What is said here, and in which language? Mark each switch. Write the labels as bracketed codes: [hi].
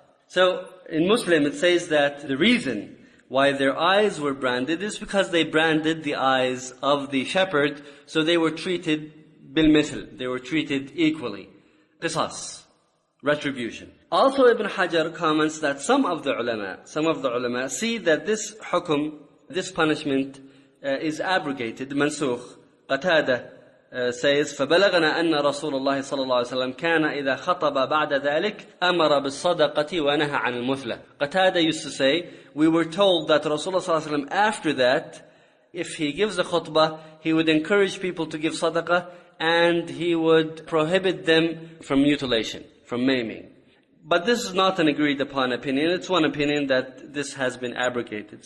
[en] So in Muslim it says that the reason why their eyes were branded is because they branded the eyes of the shepherd, so they were treated bil mithl, they were treated equally. Qisas, retribution. Also Ibn Hajar comments that some of the ulama see that this hukum, this punishment, is abrogated, mansukh. Qatada says, [ar] فَبَلَغْنَا أَنَّ رَسُولَ اللَّهِ صَلَى اللَّهِ وَسَلَّمْ كَانَ إِذَا خَطَبَ بَعْدَ ذَلِكَ أَمَرَ بِالصَّدَقَةِ وَنَهَى عَنِ الْمُثْلَةِ. [en] Qatada used to say, we were told that Rasulullah صلى الله عليه وسلم, after that, if he gives a khutbah, he would encourage people to give sadaqah, and he would prohibit them from mutilation, from maiming. But this is not an agreed upon opinion. It's one opinion that this has been abrogated.